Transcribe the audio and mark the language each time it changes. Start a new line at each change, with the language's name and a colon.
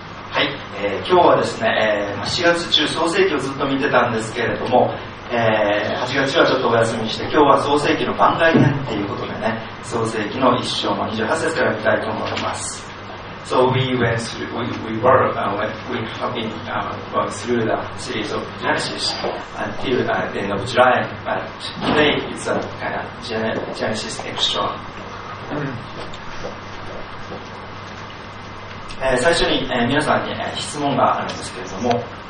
Japanese: はい、今日はですね、4月中創世記をずっと見てたんですけれども、8月はちょっとお休みして、今日は創世記の番外編ということでね、創世記の1章の28節から見たいと思います。
English: So we went through, we have been going through the series of Genesis until the end of July, but today it's a kind of Genesis extra.
Japanese: 最初に皆さんに質問があるんですけれども。